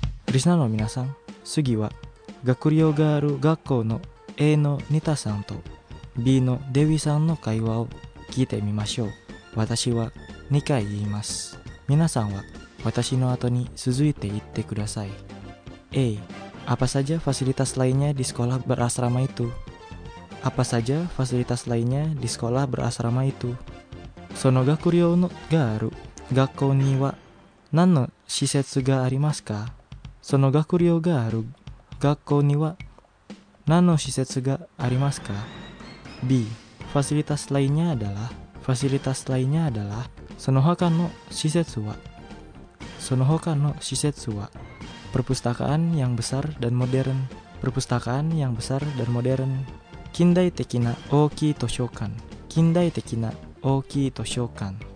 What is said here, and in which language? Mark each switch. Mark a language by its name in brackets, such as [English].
[Japanese] リスナーの皆さん、次は学寮がある学校の A のニタさんと B のデビさんの会話を聞いてみましょう。私は2回言います。皆さんは私の後に続いて言ってください。 [Indonesian] A、 apa saja fasilitas lainnya di sekolah berasrama itu? Apa saja fasilitas lainnya di sekolah berasrama itu? [Japanese] その学寮のがある学校には何の施設がありますか？その学寮がある学校には何の施設がありますか ?B. [Indonesian] Fasilitas lainnya adalah Fasilitas lainnya adalah [Japanese] その他の施設はその他の施設は [Indonesian] Perpustakaan yang besar dan modern Perpustakaan yang besar dan modern [Japanese] 近代的な大きい図書館近代的な大きい図書館